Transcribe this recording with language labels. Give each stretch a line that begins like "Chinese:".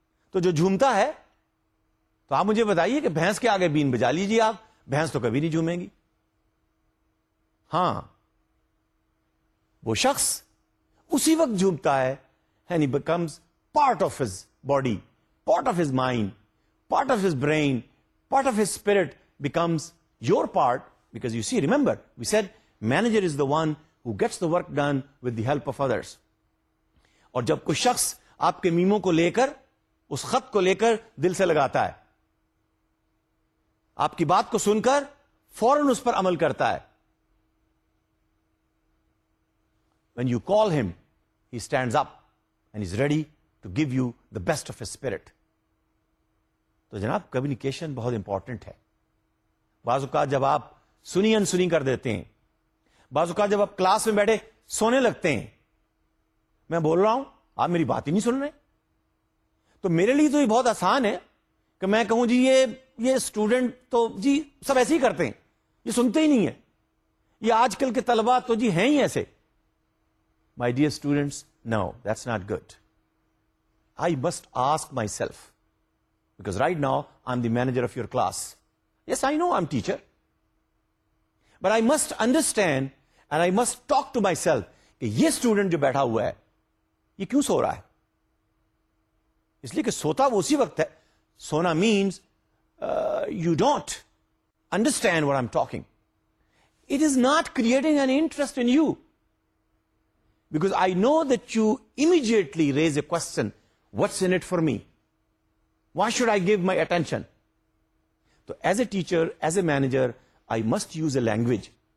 Urdu: تو جو جھومتا ہے تو آپ مجھے بتائیے کہ بھینس کے آگے بین بجا لیجیے آپ, بھینس تو کبھی نہیں جھومے گی. ہاں وہ شخص اسی وقت جھومتا ہے
English: and he becomes part of his body, part of his mind, part of his brain, part of his spirit becomes your part, because you see, remember, we said manager is the one who gets the work done with the help of others.
Urdu: اور جب کوئی شخص آپ کے میموں کو لے کر, اس خط کو لے کر دل سے لگاتا ہے, آپ کی بات کو سن کر فوراً اس پر عمل کرتا ہے,
English: when you call him, he stands up and he's ready to give you the best of his spirit.
Urdu: تو جناب کمیونیکیشن بہت امپورٹنٹ ہے. بعض اوقات جب آپ سنی انسنی کر دیتے ہیں, بعض اوقات جب آپ کلاس میں بیٹھے سونے لگتے ہیں, میں بول رہا ہوں آپ میری بات ہی نہیں سن رہے, تو میرے لیے تو یہ بہت آسان ہے کہ میں کہوں جی یہ اسٹوڈنٹ تو جی سب ایسے ہی کرتے ہیں, یہ سنتے ہی نہیں ہیں, یہ آج کل کے طلبہ تو جی ہیں ہی ایسے.
English: My dear students, no, that's not good. I must ask myself, because right now I'm the manager of your class. Yes, I know I'm teacher. But I must understand and I must talk to myself,
Urdu: کہ یہ student جو بیٹھا ہوا ہے یہ کیوں سو رہا ہے. اس لیے کہ سوتا وہ اسی وقت ہے. سونا
English: means you don't understand what I'm talking. It is not creating an interest in you. Because I know that you immediately raise a question, what's in it for me? Why should I give my attention? So as a teacher, as a manager, I must use a language.